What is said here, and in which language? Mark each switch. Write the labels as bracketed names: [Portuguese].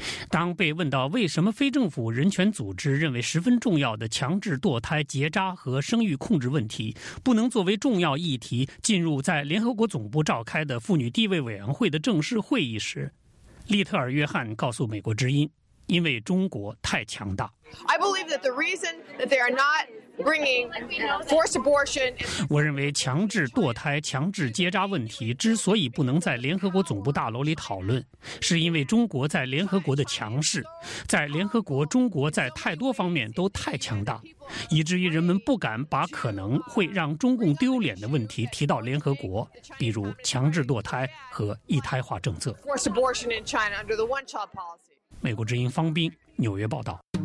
[Chinese] 当被问到为什么非政府人权组织认为十分重要的强制堕胎、结扎和生育控制问题不能作为重要议题进入在联合国总部召开的妇女地位委员会的正式会议时，利特尔·约翰告诉美国之音，因为中国太强大。 [English] I believe that the reason that they are not bringing forced abortion. [Chinese] 我认为强制堕胎、强制结扎问题之所以不能在联合国总部大楼里讨论，是因为中国在联合国的强势，在联合国，中国在太多方面都太强大，以至于人们不敢把可能会让中共丢脸的问题提到联合国，比如强制堕胎和一胎化政策。 [English] Forced abortion in China under the one-child policy. [Chinese] 美国之音方斌，纽约报道。